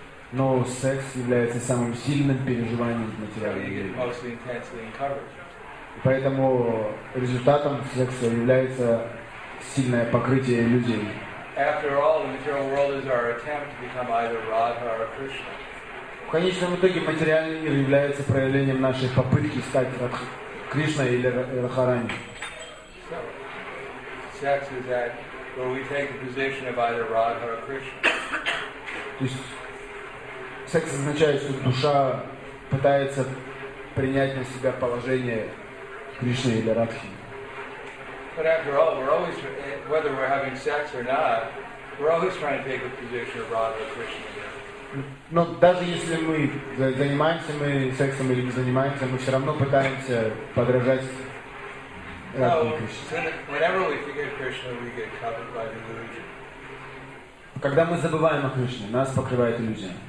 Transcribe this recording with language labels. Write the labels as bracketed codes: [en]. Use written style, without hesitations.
[ru] Но секс является самым сильным переживанием в материальном мире. И поэтому результатом секса является сильное покрытие людей. [en] After all, the material world is our attempt to become either Radha or Krishna. [ru] В конечном итоге материальный мир является проявлением нашей попытки стать Кришной или Радхарани. [en] So, sex is that where we take the position of either Radha or Krishna. [ru] То есть секс означает, что душа пытается принять на себя положение Кришны или Радхи. [en] But after all, we're always, whether we're having sex or not, we're always trying to take a position of Radha or Krishna. [ru] Но даже если мы занимаемся мы сексом или не занимаемся, мы все равно пытаемся подражать Радхе и Кришне. [en] Whenever we forget Krishna, we get covered by delusion. [ru] Когда мы забываем о Кришне, нас покрывает иллюзия.